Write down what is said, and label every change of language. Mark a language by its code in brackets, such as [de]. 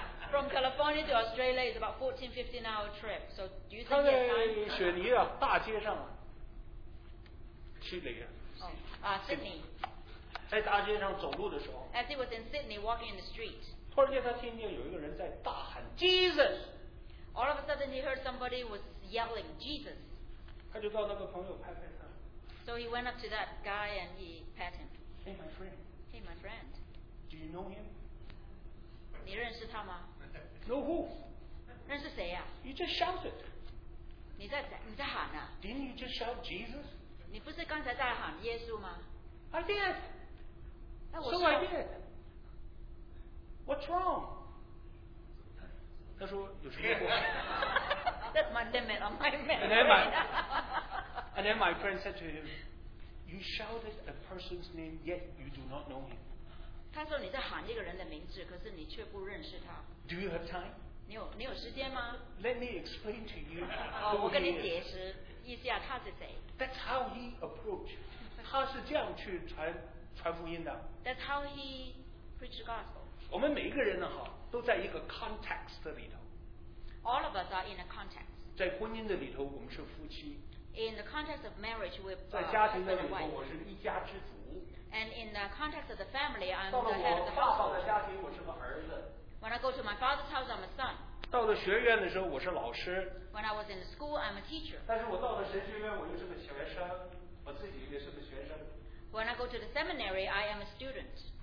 [en] From California to Australia is about 14-15 hour trip. So do you think you have time? [zh] 他在雪梨啊，大街上啊，去哪个？ [en] Sydney. [zh] 在大街上走路的时候。 [en] As he was in Sydney walking in the street. [zh] 突然间他听见有一个人在大喊 Jesus. [en] All of a sudden he heard somebody was yelling Jesus. [zh] 他就到那个朋友拍拍他。 [en] So he went up to that guy and he pat him. Hey, my friend. Hey, my friend. Do you know him? [zh] 你认识他吗 [en] ？Know who? [zh] 认识谁呀 [en] ？You just shouted. [zh] 你在喊呐、啊、 [en] ？Didn't you just shout Jesus? [zh] 你不是刚才在喊耶稣吗 [en] ？I did. So I did. What's wrong? [zh] 他说有什么错？ [en] That's my limit on my memory. And then my friend said to him, "You shouted a person's name, yet you do not know him." [zh] 他说你在喊一个人的名字，可是你却不认识他。 [en] Do you have time? [zh] 你有时间吗 [en] ？Let me explain to you. [zh] 我跟你解释一下他是谁。 [en] That's how he approached. [zh] 他是这样去传福音的。 [en] That's how he preached gospel. [zh] 我们每一个人呢，哈，都在一个 context 里头。 [en] All of us are in a context. [zh] 在婚姻的里头，我们是夫妻。 [en] In the context of marriage, we're husband and wife. [zh] 在家庭的里头，我是一家之主。 [en] And in the context of the family, I'm the head of the [zh] household. 到了我爸爸的家庭，我是个儿子。 [en] When I go to my father's house, I'm a son. [zh] 到了学院的时候，我是老师。 [en] When I was in school, I'm a teacher. [zh] 但是我到了神学院，我又是个学生，我自己也是个学生。 [en] When I go to the seminary, I am a student.